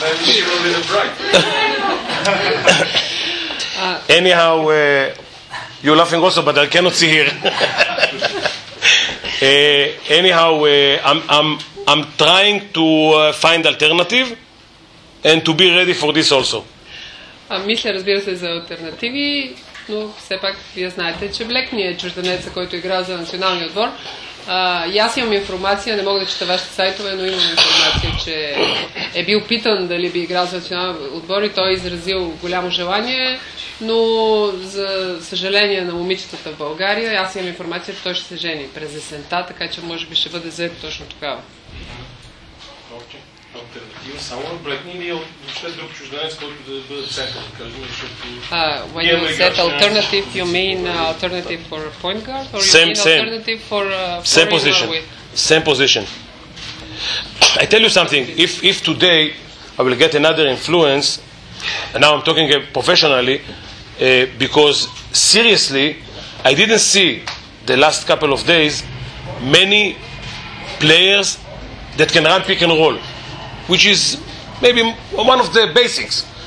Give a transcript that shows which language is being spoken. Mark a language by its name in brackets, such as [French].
[English] Maybe she will be the bride. Anyhow, you're laughing also, but I cannot see here. anyhow, I'm trying to find alternative and to be ready for this also. [Bulgarian] Мисля, разбира се, за альтернативи, но все пак вие знаете, че Блекни е чужденеца, който игра за националния отбор. И аз имам информация, не мога да чета вашите сайтове, но имам информация, че е бил питан дали би играл за национален отбор и той е изразил голямо желание, но за съжаление на момичетата в България, аз имам информация, че той ще се жени през есента, така че може би ще бъде заед точно такава. [English] When you said alternative, you mean alternative for a point guard, or same. Alternative for same position? Same position. I tell you something. If today I will get another influence, and now I'm talking professionally, because seriously, I didn't see the last couple of days many players that can run pick and roll, which is maybe one of the basics.